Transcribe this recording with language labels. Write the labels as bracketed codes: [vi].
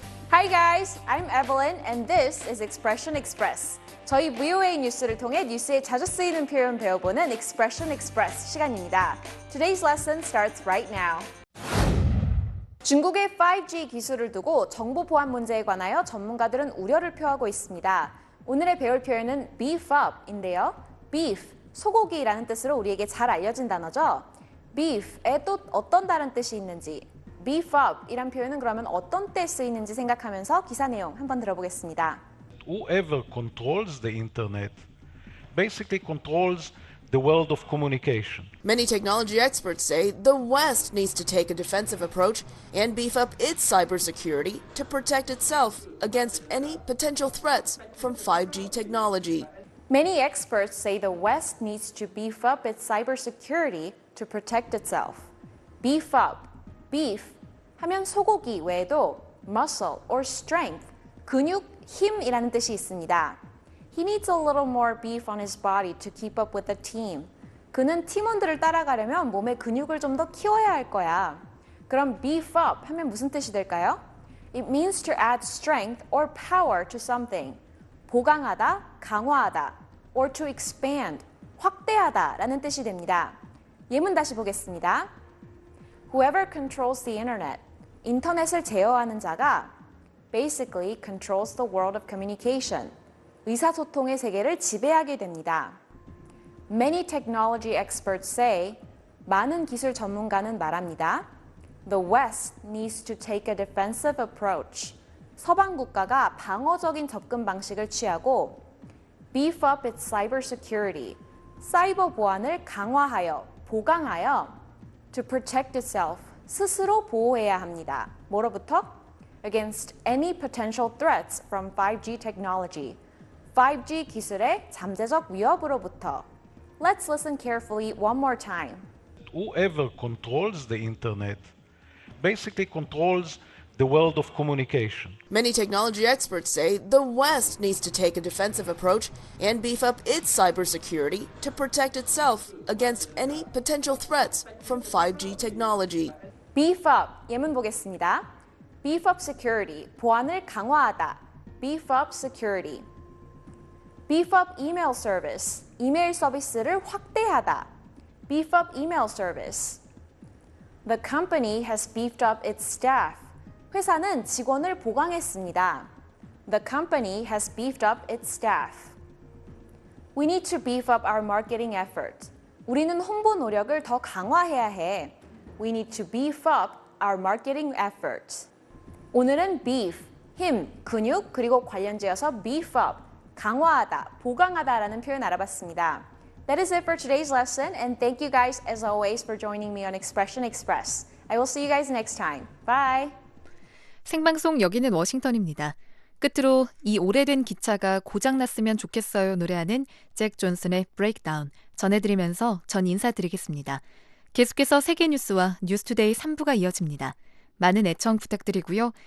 [en] Hi guys, I'm Evelyn and this is Expression Express. [ko] 저희 VOA 뉴스를 통해 뉴스에 자주 쓰이는 표현 배워보는 Expression Express 시간입니다. [en] Today's lesson starts right now. [ko] 중국의 5G 기술을 두고 정보 보안 문제에 관하여 전문가들은 우려를 표하고 있습니다. 오늘의 배울 표현은 beef up인데요. beef, 소고기라는 뜻으로 우리에게 잘 알려진 단어죠. beef에 또 어떤 다른 뜻이 있는지, beef up이란 표현은 그러면 어떤 때 쓰이는지 생각하면서 기사 내용 한번 들어보겠습니다. [en] Whoever controls the internet basically controls the world of communication. Many technology experts say the West needs to take a defensive approach and beef up its cybersecurity to protect itself against any potential threats from 5G technology. Many experts say the West needs to beef up its cybersecurity to protect itself. [ko] Beef up, beef, 하면 소고기 외에도 [en] muscle or strength, [ko] 근육, 힘이라는 뜻이 있습니다. [en] He needs a little more beef on his body to keep up with the team. [ko] 그는 팀원들을 따라가려면 몸에 근육을 좀 더 키워야 할 거야. 그럼 beef up 하면 무슨 뜻이 될까요? [en] It means to add strength or power to something. [ko] 보강하다, 강화하다, [en] or to expand, [ko] 확대하다 라는 뜻이 됩니다. 예문 다시 보겠습니다. [en] Whoever controls the internet, [ko] 인터넷을 제어하는 자가 [en] basically controls the world of communication. [ko] 의사소통의 세계를 지배하게 됩니다. [en] Many technology experts say, [ko] 많은 기술 전문가는 말합니다. [en] The West needs to take a defensive approach. [ko] 서방 국가가 방어적인 접근 방식을 취하고, [en] beef up its cybersecurity, [ko] 사이버 보안을 강화하여, 보강하여, [en] to protect itself, [ko] 스스로 보호해야 합니다. 뭐로부터? [en] Against any potential threats from 5G technology. [ko] 5G 기술의 잠재적 위협으로부터. [en] Let's listen carefully one more time. Whoever controls the internet basically controls the world of communication. Many technology experts say the West needs to take a defensive approach and beef up its cybersecurity to protect itself against any potential threats from 5G technology. Beef up. [ko] 예문 보겠습니다. [en] Beef up security. [ko] 보안을 강화하다. [en] Beef up security. Beef up email service, [ko] 이메일 서비스를 확대하다. [en] Beef up email service. The company has beefed up its staff. [ko] 회사는 직원을 보강했습니다. [en] The company has beefed up its staff. We need to beef up our marketing effort. [ko] 우리는 홍보 노력을 더 강화해야 해. [en] We need to beef up our marketing effort. [ko] 오늘은 beef, 힘, 근육, 그리고 관련지어서 beef up, 강화하다, 보강하다라는 표현 알아봤습니다. [en] That is it for today's lesson, and thank you guys as always for joining me on Expression Express. I will see you guys next time. Bye! [ko] 생방송 여기는 워싱턴입니다. 끝으로 이 오래된 기차가 고장났으면 좋겠어요 노래하는 잭 존슨의 Breakdown 전해드리면서 전 인사드리겠습니다. 계속해서 세계 뉴스와 뉴스투데이 3부가 이어집니다. 많은 애청 부탁드리고요.